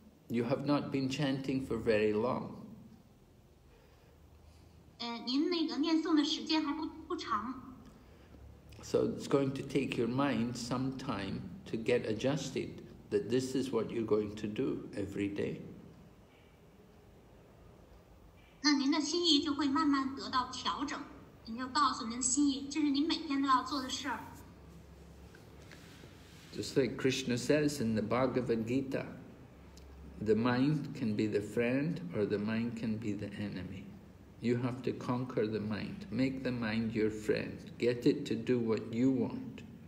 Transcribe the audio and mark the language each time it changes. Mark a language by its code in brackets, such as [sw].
[en] You have not been chanting for very long. [zh] 您那个念诵的时间还不长。 [en] So it's going to take your mind some time to get adjusted that this is what you're going to do every day. [zh] 那您的心意就会慢慢得到调整，您就告诉您的心意，这是您每天都要做的事儿。 [en] Just like Krishna says in the Bhagavad Gita, the mind can be the friend or the mind can be the enemy. You have to conquer the mind. Make the mind your friend. Get it to do what you want.